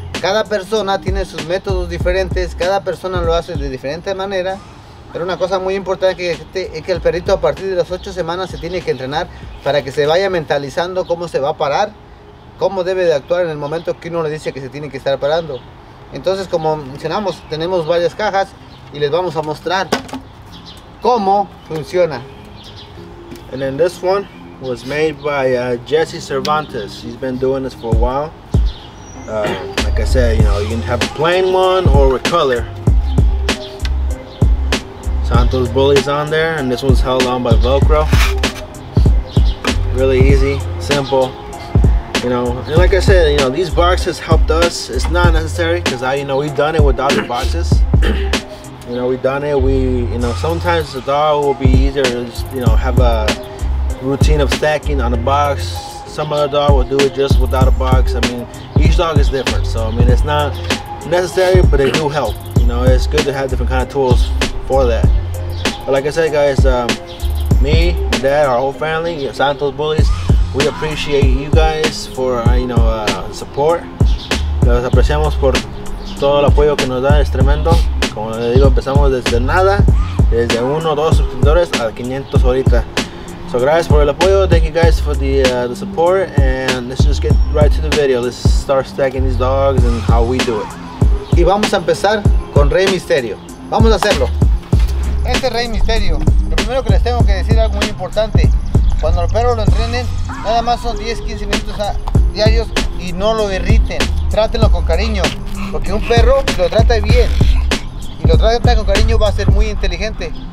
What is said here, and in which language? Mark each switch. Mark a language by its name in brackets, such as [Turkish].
[Spanish] Cada persona tiene sus métodos diferentes, cada persona lo hace de diferente manera, pero una cosa muy importante que es que el perrito a partir de las 8 semanas se tiene que entrenar para que se vaya mentalizando cómo se va a parar, cómo debe de actuar en el momento que uno le dice que se tiene que estar parando. Entonces, como mencionamos, tenemos varias cajas y les vamos a mostrar cómo funciona. [English] And then this one was made by Jesse Cervantes. He's been doing this for a while. Like I said, you know, you can have a plain one or with color. Santos Bully's on there, and this one's held on by Velcro. Really easy, simple. You know, and like I said, you know, these boxes helped us. It's not necessary because I, you know, we've done it without the boxes. You know, we've done it. We, you know, sometimes the dog will be easier to just, you know, have a routine of stacking on a box. Some other dog will do it just without a box. I mean, each dog is different. So, I mean, it's not necessary, but they do help. You know, it's good to have different kind of tools for that. But like I said, guys, me, my dad, our whole family, Santos Bullies, we appreciate you guys for, you know, support. [Spanish] Los apreciamos por todo el apoyo que nos dan, es tremendo. Como les digo, empezamos desde nada, desde uno, dos suscriptores a 500 ahorita. [English] So [Spanish] gracias por el apoyo, [English] thank you guys for the support, and let's just get right to the video. Let's start stacking these dogs and how we do it. [Spanish] Y vamos a empezar con Rey Mysterio. Vamos a hacerlo. Este Rey Mysterio, lo primero que les tengo que decir algo muy importante. Cuando los perros lo entrenen, nada más son 10-15 minutos diarios y no lo irriten. Trátenlo con cariño, porque un perro, si lo trata bien y lo trata con cariño, va a ser muy inteligente.